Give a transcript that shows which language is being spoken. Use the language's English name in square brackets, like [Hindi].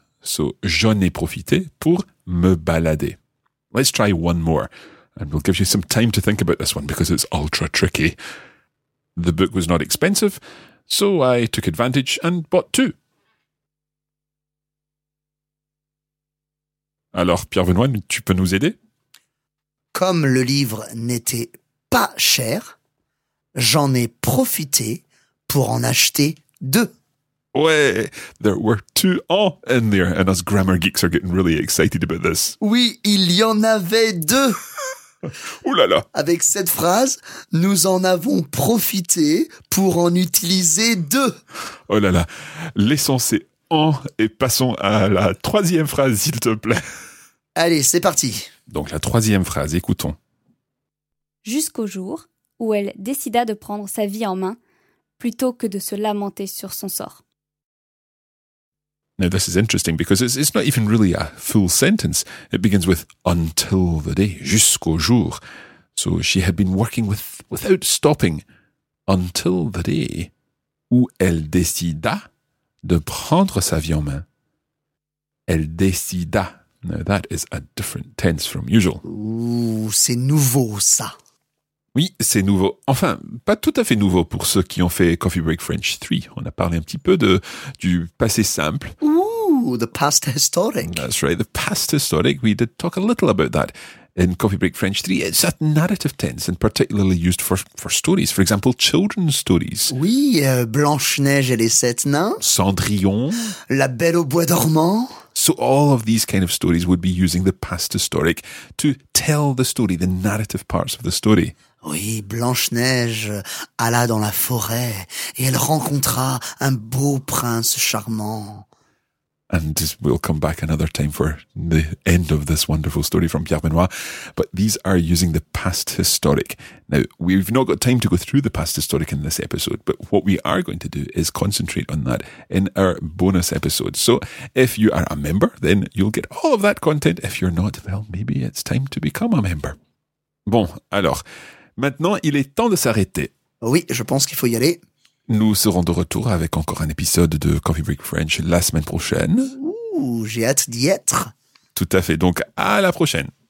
[French] So j'en ai profité pour me balader. [English] Let's try one more. And we'll give you some time to think about this one because it's ultra tricky. The book was not expensive, so I took advantage and bought two. [French] Alors, Pierre-Benoît, tu peux nous aider? Comme le livre n'était pas cher, j'en ai profité pour en acheter deux. [English] Ouais, there were two en in there, and us grammar geeks are getting really excited about this. [French] Oui, il y en avait deux. Ouh là là. Avec cette phrase, nous en avons profité pour en utiliser deux. Oh là là, laissons ces en et passons à la troisième phrase, s'il te plaît. Allez, c'est parti. Donc la troisième phrase, écoutons. Jusqu'au jour où elle décida de prendre sa vie en main plutôt que de se lamenter sur son sort. [English] Now, this is interesting because it's not even really a full sentence. It begins with until the day, jusqu'au jour. So she had been working without stopping until the day [French] où elle décida de prendre sa vie en main. Elle décida. [English] Now, that is a different tense from usual. [French] Ooh, c'est nouveau, ça. Oui, c'est nouveau. Enfin, pas tout à fait nouveau pour ceux qui ont fait Coffee Break French 3. On a parlé un petit peu du passé simple. [English] Ooh, the past historic. That's right, the past historic. We did talk a little about that in Coffee Break French 3. It's a narrative tense and particularly used for stories. For example, children's stories. [French] Oui, Blanche-Neige et les Sept Nains. Cendrillon. La Belle au Bois Dormant. [English] So all of these kind of stories would be using the past historic to tell the story, the narrative parts of the story. [French] Oui, Blanche-Neige alla dans la forêt et elle rencontra un beau prince charmant. [English] And we'll come back another time for the end of this wonderful story from Pierre-Benoît. But these are using the past historic. Now, we've not got time to go through the past historic in this episode, but what we are going to do is concentrate on that in our bonus episode. So if you are a member, then you'll get all of that content. If you're not, well, maybe it's time to become a member. [French] Bon, alors, maintenant, il est temps de s'arrêter. Oui, je pense qu'il faut y aller. Nous serons de retour avec encore un épisode de Coffee Break French la semaine prochaine. Ouh, j'ai hâte d'y être. Tout à fait, donc à la prochaine.